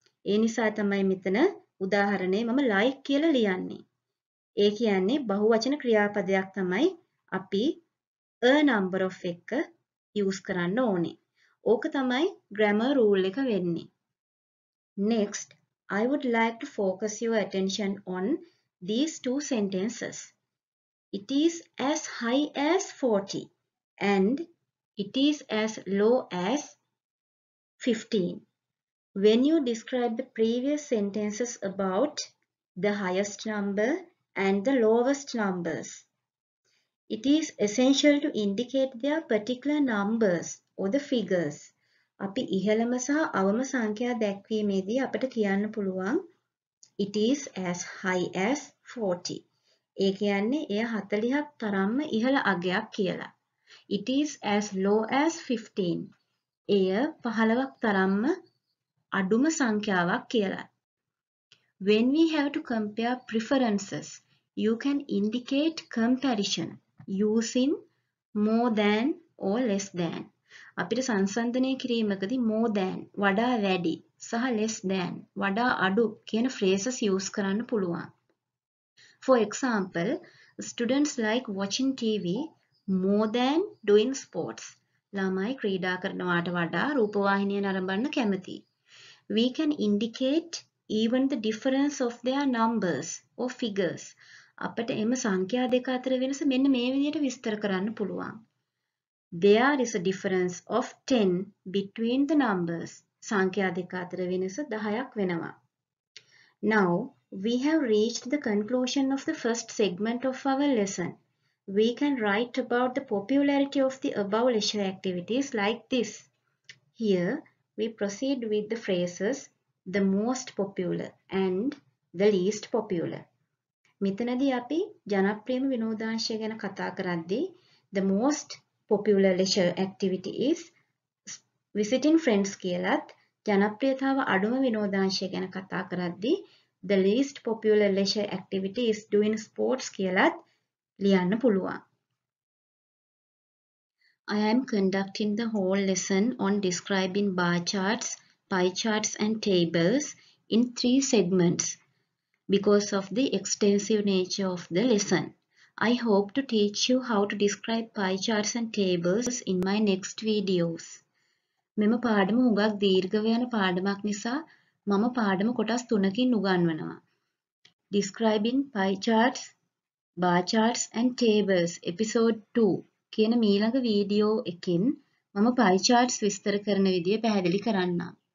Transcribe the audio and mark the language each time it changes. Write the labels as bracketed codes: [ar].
[si] ඒ නිසා තමයි මෙතන උදාහරණේ මම like කියලා ලියන්නේ. ඒ කියන්නේ බහුවචන ක්‍රියාපදයක් තමයි අපි a number of එක use කරන්න ඕනේ. ඕක තමයි grammar rule එක වෙන්නේ. [en] Next, I would like to focus your attention on these two sentences. It is as high as 40 and it is as low as 15. When you describe the previous sentences about the highest number and the lowest numbers, it is essential to indicate their particular numbers or the figures. [si] අපි ඉහළම සහ අවම සංඛ්‍යා දැක්වීමේදී අපිට කියන්න පුළුවන් [en] it is as high as 40. [si] ඒ කියන්නේ එය 40ක් තරම්ම ඉහළ අගයක් කියලා. [en] It is as low as 15. [si] එය 15ක් තරම්ම අඩුම සංඛ්‍යාවක් කියලා. [en] When we have to compare preferences, you can indicate comparison using more than or less than. [si] අපිට සංසන්දනය කිරීමකදී more than වඩා වැඩි සහ less than වඩා අඩු කියන phrases use කරන්න පුළුවන්. [en] For example, students like watching TV more than doing sports. [si] ළමයි ක්‍රීඩා කරනවාට වඩා රූපවාහිනිය නරඹන්න කැමති. [en] We can indicate even the difference of their numbers or figures. [si] අපිට එම සංඛ්‍යා දෙක අතර වෙනස මෙන්න මේ විදිහට විස්තර කරන්න පුළුවන්. [en] There is a difference of 10 between the numbers. [si] සංඛ්‍යා දෙක අතර වෙනස 10ක් වෙනවා. [en] Now, we have reached the conclusion of the first segment of our lesson. We can write about the popularity of the above leisure activities like this. Here, we proceed with the phrases the most popular and the least popular. [si] මෙතනදී අපි ජනප්‍රියම විනෝදාංශය ගැන කතා කරද්දී [en] the most popular leisure activity is visiting friends [si] කියලත් ජනප්‍රියතාව අඩුම විනෝදාංශය ගැන කතා කරද්දී [en] the least popular leisure activity is doing sports [si] කියලත් ලියන්න පුළුවන්. [en] I am conducting the whole lesson on describing bar charts, pie charts and tables in three segments because of the extensive nature of the lesson. I hope to teach you how to describe pie charts and tables in my next videos. [si] මෙම පාඩම හුඟක් දීර්ඝ වෙන පාඩමක් නිසා මම පාඩම කොටස් තුනකින් උගන්වනවා. [en] Describing pie charts, bar charts and tables episode 2 [si] කියන මීළඟ වීඩියෝ එකෙන් මම pie charts විස්තර කරන විදිය පැහැදිලි කරන්නම්.